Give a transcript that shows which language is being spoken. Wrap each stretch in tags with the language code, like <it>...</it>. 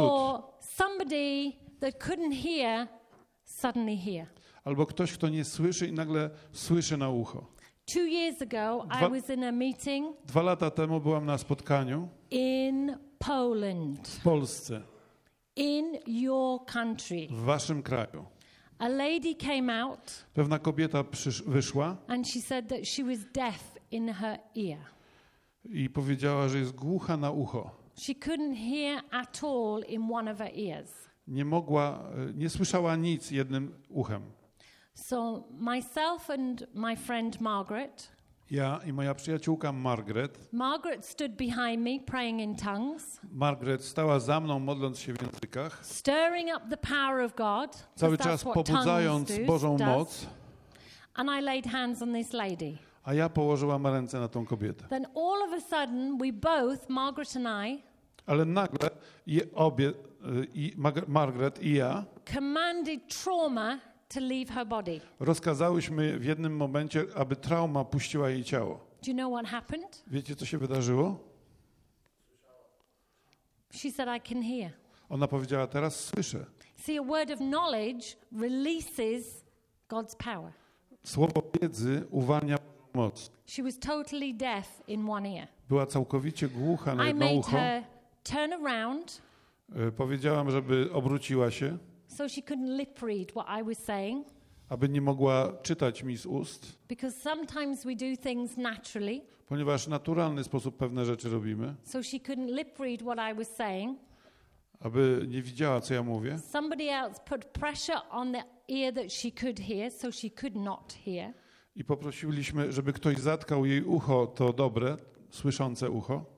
<en>Or somebody that couldn't hear suddenly hear.</en> <pl>Albo ktoś, kto nie słyszy i nagle słyszy na ucho.</pl> <en>2 years ago, I was in a meeting.</en> <pl>2 lata temu byłam na spotkaniu.</pl> <en>In Poland.</en> <pl>W Polsce.</pl> <en>In your country.</en> <pl>W waszym kraju.</pl> <en>A lady came out.</en> <pl>Pewna kobieta wyszła.</pl> <en>And she said that she was deaf in her ear.</en> <pl>I powiedziała, że jest głucha na ucho.</pl> <en>She couldn't hear at all in one of her ears.</en> <pl>Nie mogła, nie słyszała nic jednym uchem.</pl> <en>So myself and my friend Margaret.</en> <pl>Ja i moja przyjaciółka Margaret.</pl> <en>Margaret stood behind me praying in tongues.</en> <pl>Margaret stała za mną modląc się w językach.</pl> <en>Stirring up the power of God.</en> <pl>Cały czas pobudzając Bożą moc.</pl> <en>And I laid hands on this lady.</en> <pl>A ja położyłam ręce na tą kobietę.</pl> <en>Then all of a sudden we both, Margaret and I.</en> <pl>Ale nagle obie i Margaret i ja</pl> <en>commanded trauma to leave her body.</en> <pl>Rozkazałyśmy w jednym momencie, aby trauma puściła jej ciało.</pl> <en>Do you know what happened?</en> <pl>Wiecie, co się wydarzyło?</pl> <en>She said, I can hear.</en> <pl>Ona powiedziała, teraz słyszę.</pl> <en>See, a word of knowledge releases God's power.</en> <pl>Słowo wiedzy uwalnia moc.</pl> <en>She was totally deaf in one ear.</en> <pl>Była całkowicie głucha na jedno ucho.</pl> <en>I made her turn around.</en> <pl>Powiedziałam, żeby obróciła się.</pl> <en>So she couldn't lip read what I was saying.</en> <pl>Aby nie mogła czytać mi z ust.</pl> <en>Because sometimes we do things naturally.</en> <pl>Ponieważ w naturalny sposób pewne rzeczy robimy.</pl> <en>So she couldn't lip read what I was saying.</en> <pl>Aby nie widziała, co ja mówię.</pl> <en>Somebody else put pressure on the ear that she could hear, so she could not hear.</en> <pl>I poprosiliśmy, żeby ktoś zatkał jej ucho, to dobre, słyszące ucho.</pl>